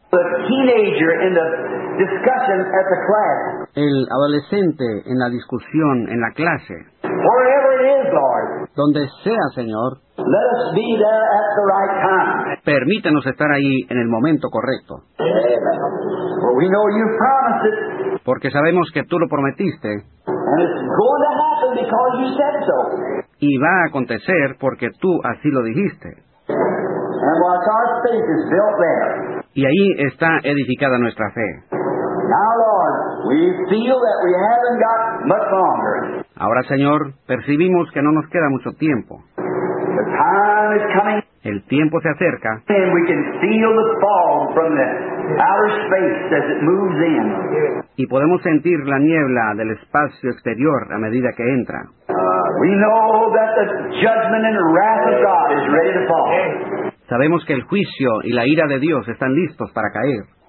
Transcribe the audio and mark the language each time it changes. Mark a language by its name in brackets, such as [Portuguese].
[English] The teenager in the discussion at the class. [Spanish] El adolescente en la discusión en la clase. [English] Wherever it is, Lord. [Spanish] Donde sea, Señor. [English] Let us be there at the right time. [Spanish] Permítanos estar ahí en el momento correcto. [English] For we know you promised it. [Spanish] Porque sabemos que tú lo prometiste. [English] And it's going to happen because you said so. [Spanish] Y va a acontecer porque tú así lo dijiste. [English] And what our faith is built there. [Spanish] Y ahí está edificada nuestra fe. [English] Now, Lord, we feel that we haven't got much longer. [Spanish] Ahora, Señor, percibimos que no nos queda mucho tiempo. [English] The time is coming. [Spanish] El tiempo se acerca. [English] And we can feel the fog from the outer space as it moves in. [Spanish] Y podemos sentir la niebla del espacio exterior a medida que entra. [English] We know that the judgment and wrath of God is ready to fall. [Spanish] Sabemos que el juicio y la ira de Dios están listos para caer.